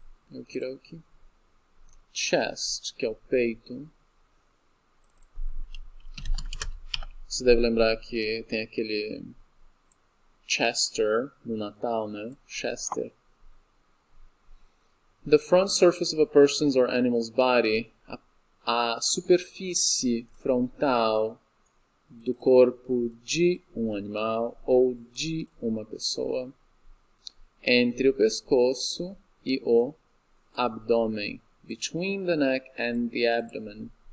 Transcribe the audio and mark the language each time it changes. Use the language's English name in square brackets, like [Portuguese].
[Portuguese] Okidoki. Chest, que é o peito. Você deve lembrar que tem aquele Chester no Natal, né? Chester. [English] The front surface of a person's or animal's body. [Portuguese] A superfície frontal do corpo de um animal ou de uma pessoa. Entre o pescoço e o abdômen. [English] Between the neck and the abdomen.